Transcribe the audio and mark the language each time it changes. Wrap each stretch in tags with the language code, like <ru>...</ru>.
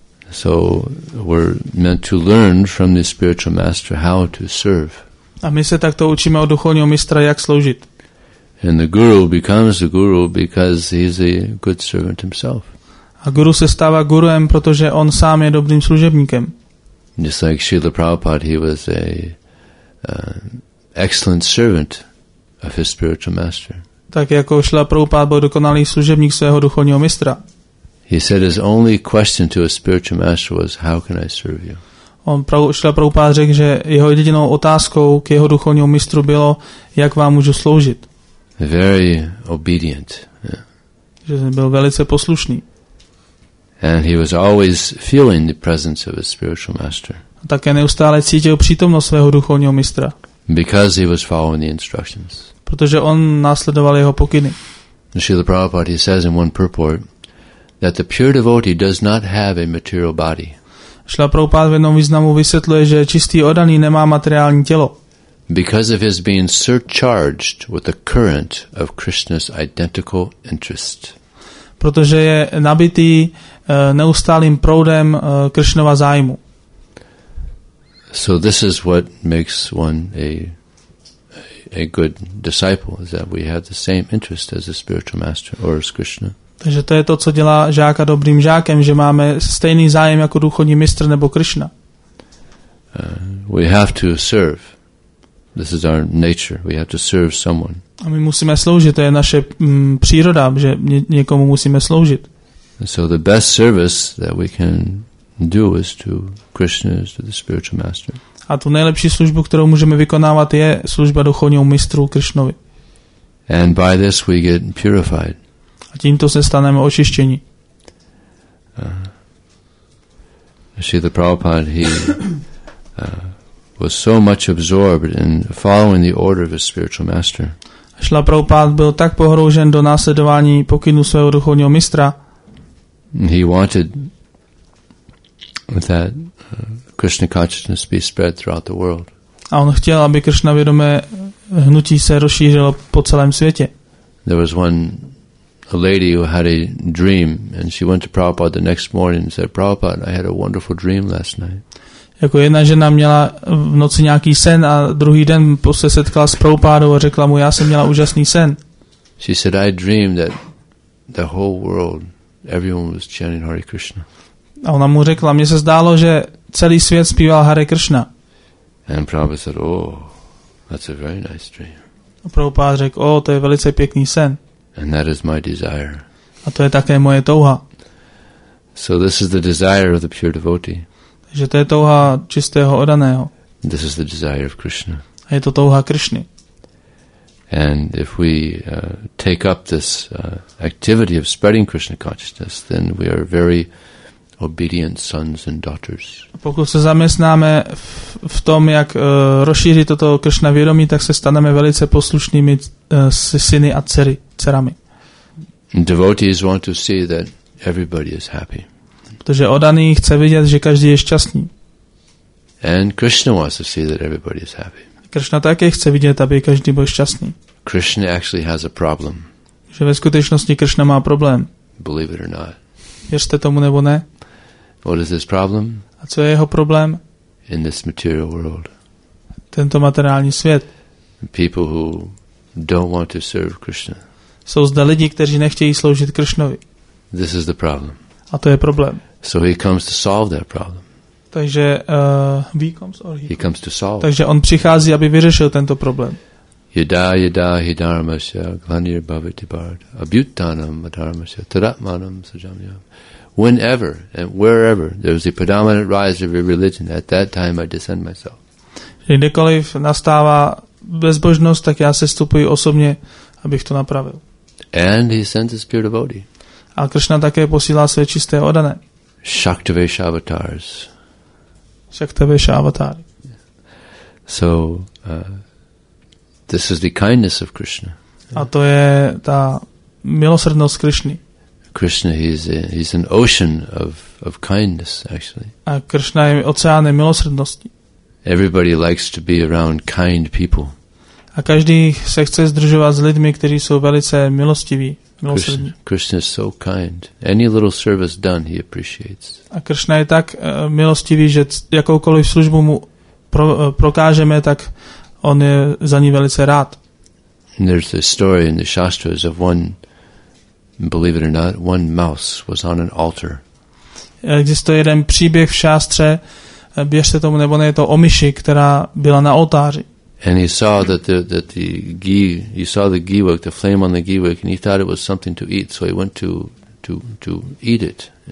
<en>So we're meant to learn from the spiritual master how to serve.</en> <cs>A my se takto učíme od duchovního mistra, jak sloužit.</cs> <en>And the guru becomes the guru because he's a good servant himself.</en> <cs>A guru se stává guruem, protože on sám je dobrým služebníkem.</cs> <en>Just like Srila Prabhupada, he was a excellent servant of his spiritual master.</en> <cs>Tak jako Srila Prabhupada byl dokonalý služebník svého duchovního mistra.</cs> <en>He said his only question to his spiritual master was, how can I serve you?</en> <cs>On Šrila Prabhupáda řekl, že jeho jedinou otázkou k jeho duchovnímu mistru bylo, jak vám můžu sloužit.</cs> <en>Very obedient.</en> <cs>Že byl velice poslušný.</cs> <en>And he was always feeling the presence of his spiritual master.</en> <cs>A také neustále cítil přítomnost svého duchovního mistra.</cs> <en>Because he was following the instructions.</en> <cs>Protože on následoval jeho pokyny.</cs> <en>Srila Prabhupada, he says in one purport, that the pure devotee does not have a material body.</en> <cs>Šla Prabhupáda v jednom významu vysvětluje, že čistý oddaný nemá materiální tělo.</cs> <en>Because of his being surcharged with the current of Krishna's identical interest.</en> <cs>Protože je nabitý neustálým proudem Krishnova zájmu.</cs> <en>So this is what makes one a good disciple, is that we have the same interest as a spiritual master or as Krishna.</en> <cs>Takže to je to, co dělá žáka dobrým žákem, že máme stejný zájem jako duchovní mistr nebo Krishna.</cs> <en>We have to serve. This is our nature. We have to serve someone.</en> <cs>A my musíme sloužit, to je naše příroda, že někomu musíme sloužit.</cs> <en>And so the best service that we can do is to Krishna, is to the spiritual master.</en> <cs>A tu nejlepší službu, kterou můžeme vykonávat, je služba duchovnímu mistru Krishnovi.</cs> <en>And by this we get purified.</en> <cs>A tímto se staneme očištění.</cs> <en>Srila Prabhupada, he was so much absorbed in following the order of his spiritual master.</en> <cs>Srila Prabhupada byl tak pohroužen do následování pokynů svého duchovního mistra.</cs> <en>He wanted that Krishna consciousness be spread throughout the world.</en> <cs>A on chtěl, aby Krishna vědomé hnutí se rozšířilo po celém světě.</cs> <en>There was one a lady who had a dream, and she went to Prabhupada the next morning and said, "Prabhupada, I had a wonderful dream last night."</en> <cs>Jako jedna žena měla v noci nějaký sen a druhý den se setkala s Prabhupádou a řekla mu, já jsem měla úžasný sen.</cs> <en>She said, "I dreamed that the whole world, everyone was chanting Hare Krishna."</en> <cs>A ona mu řekla, mně se zdálo, že celý svět zpíval Hare Krishna.</cs> <en>And Prabhupada said, "Oh, that's a very nice dream."</en> <cs>A Prabhupáda řekl, oh, to je velice pěkný sen.</cs> <en>And that is my desire.</en> <cs>A to je také moje touha.</cs> <en>So this is the desire of the pure devotee.</en> <cs>Takže to je touha čistého oddaného.</cs> <en>This is the desire of Krishna.</en> <cs>A je to touha Krishny.</cs> <en>And if we take up this activity of spreading Krishna consciousness, then we are very obedient sons and daughters.</en> <cs>A pokud se zaměstnáme v tom, jak rozšířit toto Krishna vědomí, tak se staneme velice poslušnými syny a dcery. Dcerami.</cs> <en>Devotees want to see that everybody is happy.</en> <cs>Protože oddaný chce vidět, že každý je šťastný.</cs> <en>And Krishna wants to see that everybody is happy.</en> <cs>Krishna také chce vidět, aby každý byl šťastný.</cs> <en>Krishna actually has a problem.</en> <cs>Že ve skutečnosti Krishna má problém.</cs> <en>Believe it or not.</en> <cs>Věřte tomu nebo ne.</cs> <en>What is his problem?</en> <cs>A co je jeho problém?</cs> <en>In this material world.</en> <cs>Tento materiální svět.</cs> <en>People who don't want to serve Krishna.</en> <cs>Jsou zde lidi, kteří nechtějí sloužit Krishnovi.</cs> <en>This is the problem.</en> <cs>A to je problém.</cs> <en>So he comes to solve that problem.</en> <cs>Takže</cs> <en>he comes to solve.</en> <cs>Takže on přichází, aby vyřešil tento problém.</cs> <sa>Yada yada hi dharmasya glanir bhavati bard abhyutanam dharmasya tadatmanam sajamyam.</sa> <en>Whenever and wherever there is the predominant rise of a religion, at that time I descend myself.</en> <cs>Kdykoliv nastává bezbožnost, tak já se stupuji osobně, abych to napravil.</cs> <en>And he sends his pure devotee.</en> <cs>A Krishna také posílá své čisté oddané.</cs> <en>Shaktivesha avatars.</en> <cs>Shaktivesha avatars.</cs> <en>So this is the kindness of Krishna.</en> <cs>A to je ta milosrdnost Krishny.</cs> <en>Krishna, he's an ocean of kindness actually.</en> <cs>A Krishna je oceánem milosrdnosti.</cs> <en>Everybody likes to be around kind people.</en> <cs>A každý se chce sdružovat s lidmi, kteří jsou velice milostiví, milosrdní.</cs> <en>Krishna is so kind. Any little service done, he appreciates.</en> <cs>A Krishna je tak milostivý, že jakoukoliv službu mu prokážeme, tak on je za ní velice rád.</cs> <en>And there's a story in the Shastras of one, believe it or not, one mouse was on an altar.</en> <cs>Existuje jeden příběh v Šástře, věřte tomu nebo ne, je to o myši, která byla na oltáři.</cs> <en>And he saw that the giwak, the flame on the giwak, and he thought it was something to eat, so he went to eat it.</en>